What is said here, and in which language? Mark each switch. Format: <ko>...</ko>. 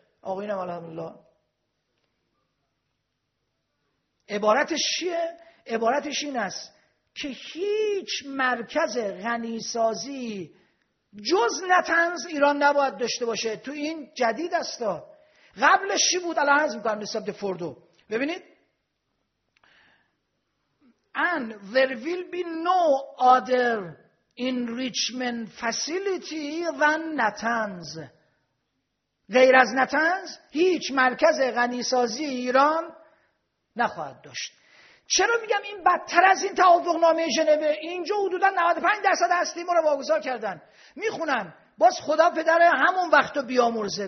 <fa>آقای نمال الحمدلله عبارتش چیه؟ عبارتش این است که هیچ مرکز غنیسازی جز نطنز ایران نباید داشته باشه. تو این جدید است. قبلش چی بود؟ الان عرض میکنم نسبت به فوردو. ببینید،</fa> <en>and there will be no other enrichment facility than نطنز.</en> <fa>غیر از نطنز هیچ مرکز غنیسازی ایران نخواهد داشت. چرا میگم این بدتر از این توافقنامه ژنو؟ اینجا حدودا 95 درصد هستیم رو واگذار کردن، میخونن باز خدا پدر همون وقتو بیامرزه.</fa>